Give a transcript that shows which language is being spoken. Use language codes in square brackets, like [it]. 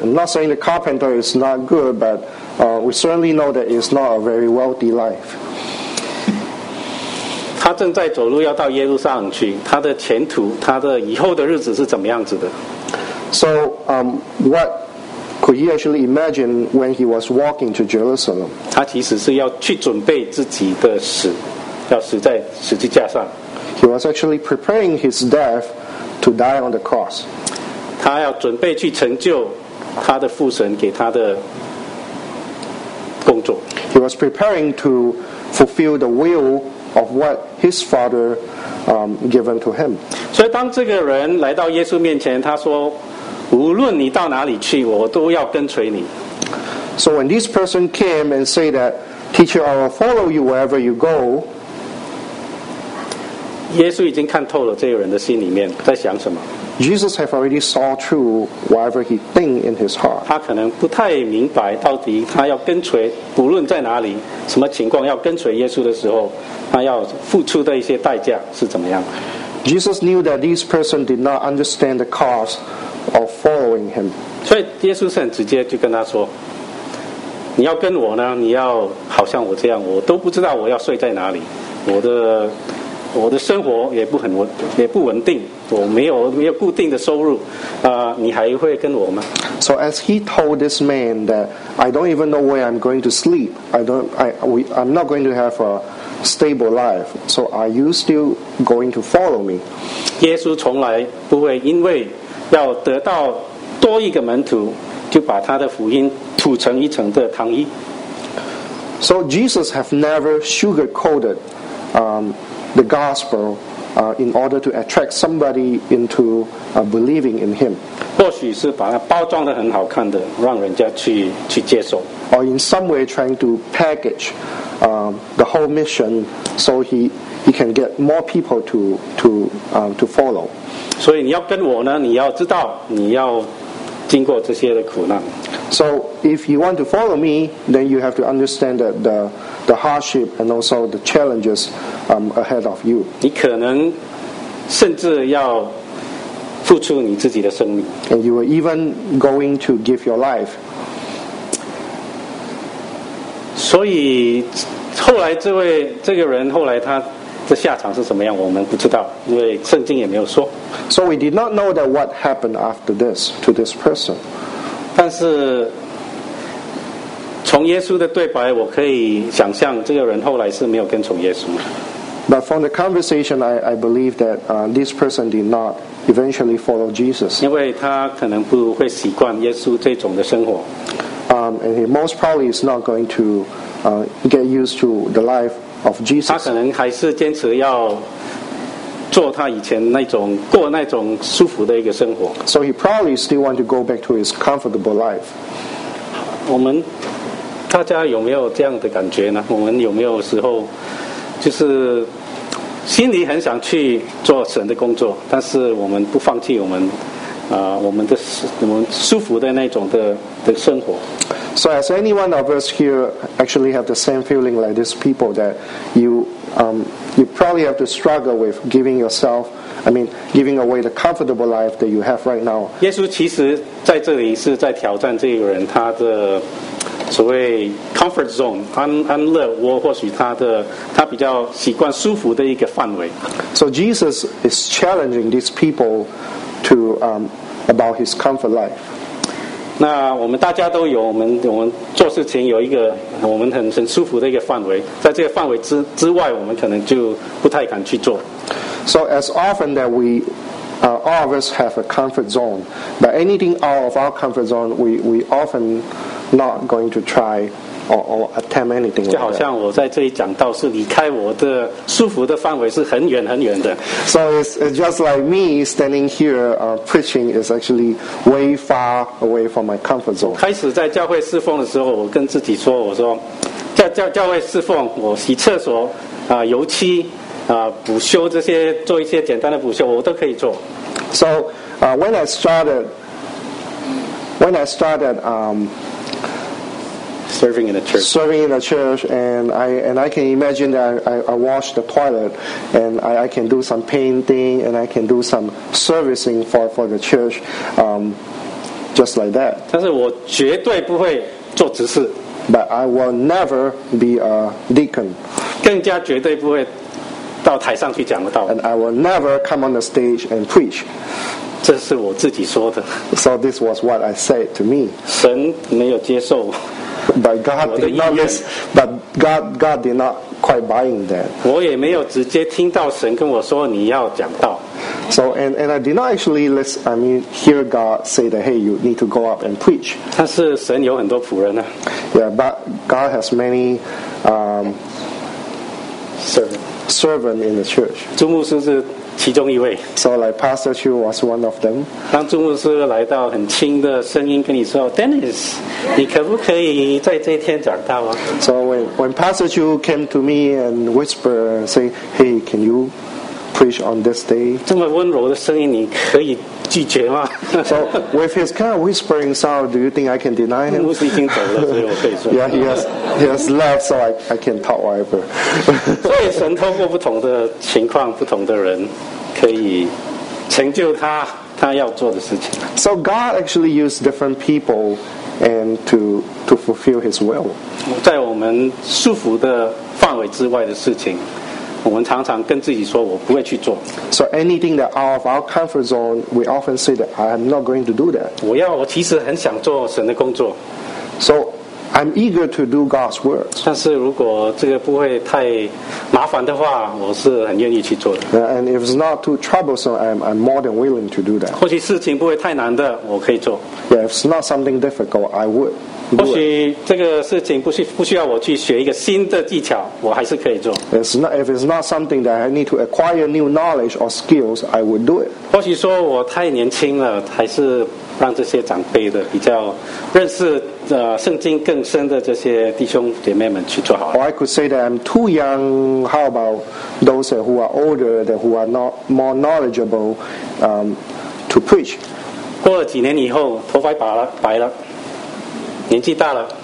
[en] I'm not saying the carpenter is not good, but we certainly know that it's not a very wealthy life. [zh] 他正在走路要到耶路撒冷去，他的前途，他的以后的日子是怎么样子的？ [en] So, what could he actually imagine when he was walking to Jerusalem? [zh] 他其实是要去准备自己的死，要死在十字架上。 [en] He was actually preparing his death to die on the cross. [zh] 他要准备去成就他的父神给他的工作。 [en] He was preparing to fulfill the will of what his father given to him. [zh] 所以当这个人来到耶稣面前，他说，无论你到哪里去，我都要跟随你。 [en] So when this person came and said that, Teacher, I will follow you wherever you go. [zh] 耶稣已经看透了这个人的心里面在想什么。 [en] Jesus have already saw through whatever he think in his heart. [zh] 他可能不太明白到底他要跟随，不论在哪里，什么情况要跟随耶稣的时候，他要付出的一些代价是怎么样。 [en] Jesus knew that this person did not understand the cost of following him. [zh] 所以耶稣是很直接就跟他说，你要跟我呢，你要好像我这样，我都不知道我要睡在哪里，我的生活也不稳定，我没有固定的收入，你还会跟我吗？ [en] So as he told this man that I don't even know where I'm going to sleep, I'm not going to have a stable life, so are you still going to follow me? [zh] 耶稣从来不会因为要得到多一个门徒就把他的福音吐成一层的糖衣。 [en] So Jesus have never sugarcoated the gospel in order to attract somebody into believing in him. [zh] 或许是把它包装得很好看的，让人家去接受。 [en] Or in some way trying to package the whole mission so he can get more people to follow. [zh] 所以你要跟我呢，你要知道你要经过这些的苦难。 [en] So if you want to follow me, then you have to understand that the hardship and also the challenges ahead of you. [zh] 你可能甚至要付出你自己的生命。 [en] And you are even going to give your life. [zh] 所以后来这个人后来他的下场是什么样我们不知道，因为圣经也没有说。 [en] So we did not know that what happened after this to this person. [zh] 但是从耶稣的对白，我可以想象这个人后来是没有跟从耶稣。 [en] But from the conversation, I believe that this person did not eventually follow Jesus. [zh] 因为他可能不会习惯耶稣这种的生活。 [en] And he most probably is not going to get used to the life of Jesus. [zh] 他可能还是坚持要做他以前那种过那种舒服的一个生活。 [en] So he probably still want to go back to his comfortable life. [zh] 我们大家有没有这样的感觉呢？我们有没有时候就是心里很想去做神的工作，但是我们不放弃我们舒服的那种的生活。 [en] So as any one of us here actually have the same feeling like these people, that you probably have to struggle with giving yourself I mean, giving away the comfortable life that you have right now. [zh] 耶稣其实在这里是在挑战这个人他的所谓 [en] comfort zone [zh] 安乐窝或许他比较习惯舒服的一个范围。 [en] So Jesus is challenging these people to about his comfort life. [zh] 那我们大家都有我们做事情有一个我们很舒服的一个范围，在这个范围之外，我们可能就不太敢去做。 [en] So as often that we all of us have a comfort zone, but anything out of our comfort zone, we often not going to try or attempt anything. [zh] 就好像我在这里讲到是离开我的舒服的范围是很远很远的。 [en] So it's just like me standing here preaching is actually way far away from my comfort zone. [zh] 开始在教会侍奉的时候，我跟自己说，我说教会侍奉，我洗厕所油漆。补修这些做一些简单的补修我都可以做。 [en] So, when I started serving in the church and I can imagine that I wash the toilet and I can do some painting and I can do some servicing for the church just like that. [zh] 但是我绝对不会做执事。 [en] But I will never be a deacon. [zh] 更加绝对不会到台上去讲的道理。 [en] And I will never come on the stage and preach. [zh] 这是我自己说的。 [en] So this was what I said to me. [zh] 神没有接受。 [en] But God did not listen. But God did not quite buying that. [zh] 我也没有直接听到神跟我说你要讲道。 [en] So and I did not actually listen. I mean, hear God say that hey, you need to go up and preach. [zh] 但是神有很多仆人啊。 [en] Yeah, but God has many servant in the church. [zh] 朱牧师是其中一位。 [en] So like Pastor Chu was one of them. [zh] 当朱牧师来到，很轻的声音跟你说 ，Dennis， 你可不可以在这一天讲道啊 [en] ？So when Pastor Chu came to me and whispered, say, "Hey, can you preach on this day?" [zh] 这么温柔的声音，你可以拒绝吗 [en] ？So with his kind of whispering sound, do you think I can deny him? [zh] 牧师已经走了，所以我可以说。 [en] Yeah, he has left, so I can talk whatever. [zh] 所以神透过不同的情况、不同的人，可以成就他要做的事情。 [en] So God actually used different people and to fulfill His will. [zh] 在我们束缚的范围之外的事情。我们常常跟自己说我不会去做。 [en] So anything that out of our comfort zone, we often say that I'm not going to do that. [zh] 我其实很想做神的工作。 [en] So I'm eager to do God's work. [zh] 但是如果这个不会太麻烦的话，我是很愿意去做的。 [en] And if it's not too troublesome, I'm more than willing to do that. [zh] 或许事情不会太难的，我可以做。 [en] Yeah, if it's not something difficult, I would. [zh] 或许这个事情不需要我去学一个新的技巧，我还是可以做。 [en] If it's not something that I need to acquire new knowledge or skills, I would do it. [zh] 或许说我太年轻了，还是让这些长辈的比较认识圣经更深的这些弟兄姐妹们去做好了。 [en] Or I could say that I'm too young. How about those who are older, that who are not more knowledgeable, to preach? [zh] 过了几年以后，头发白了，年纪大了。